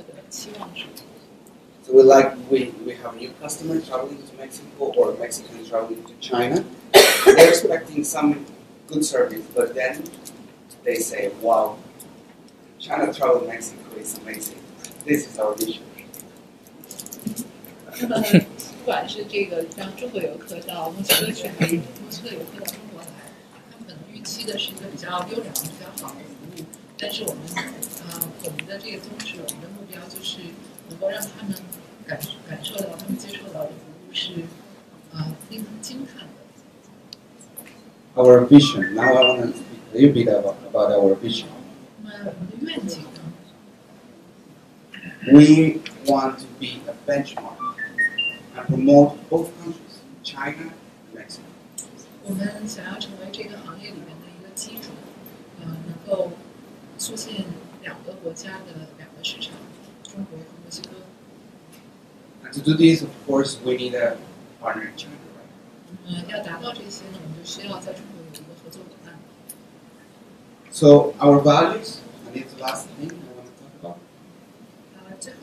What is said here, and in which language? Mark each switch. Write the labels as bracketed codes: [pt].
[en] So we like, we have new customers traveling to Mexico or Mexicans traveling to China. They're expecting some good service, but then they say, wow, China travel to Mexico is amazing. This is our mission. [zh] 不管是这个让中国游客到墨西哥去，还是墨西哥游客到中国来，他们预期的是一个比较优良、比较好的服务。但是我们的这个宗旨，我们的目标就是能够让他们感受到，他们接受到的服务是令人惊叹的。 [en] Our vision. Now I want to speak a little bit about our vision. [zh] 那么我们的愿景呢 [en] ？We want to be a benchmark. Promote both countries, China and Mexico. [zh] 我们想要成为这个行业里面的一个基础，能够促进两个国家的两个市场，中国和墨西哥。 [en] And to do this, of course, we need a partner in China, right? [zh] 要达到这些呢，我们就需要在中国有一个合作伙伴。 [en] So our values, and it's the last thing I want to talk about.